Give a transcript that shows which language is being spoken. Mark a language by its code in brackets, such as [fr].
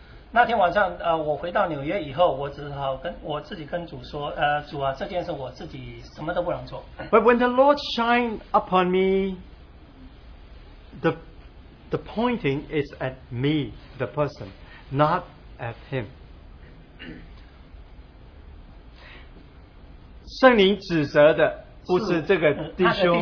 [zh] 那天晚上，我回到纽约以后，我只好跟我自己跟主说，主啊，这件事我自己什么都不能做。 [en] But when the Lord shined upon me, the pointing is at me, the person, not at him. [zh] 圣灵指责的不是这个弟兄，